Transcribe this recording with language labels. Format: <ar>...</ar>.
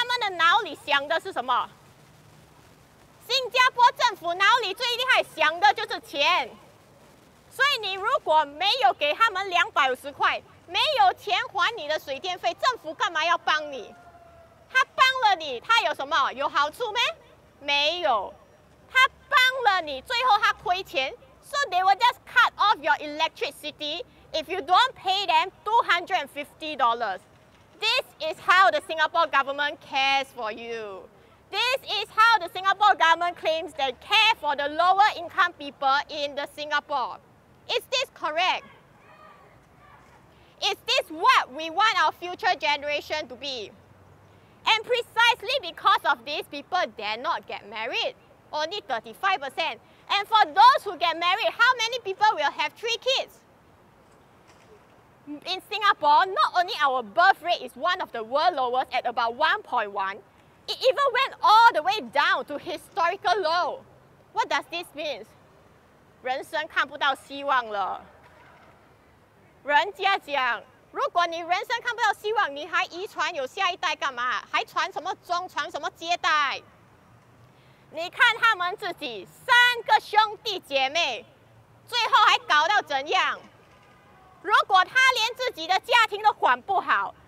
<zh>然后你如果没有钱还水电费，对新加坡政府，他们的脑里想的是什么？新加坡政府脑里最厉害想的就是钱。所以你如果没有给他们250块, 没有钱还你的水电费, 政府干嘛要帮你? 他帮了你, 他有什么?有好处吗?没有。他帮了你, 最后他亏钱,</zh> <en>so they will just cut off your electricity if you don't pay them $250. This is how the Singapore government cares for you. This is how the Singapore government claims they care for the lower income people in the Singapore. Is this correct? Is this what we want our future generation to be? And precisely because of this, people dare not get married. Only 35%. And for those who get married, how many people will have three kids? In Singapore, not only our birth rate is one of the world lowest at about 1.1, it even went all the way down to historical low. What does this mean?</en> <zh>人生看不到希望了。人家讲，如果你人生看不到希望，你还遗传有下一代干嘛？还传什么宗传什么接代？你看他们自己三个兄弟姐妹，最后还搞到怎样？如果他连自己的家庭都管不好，</zh>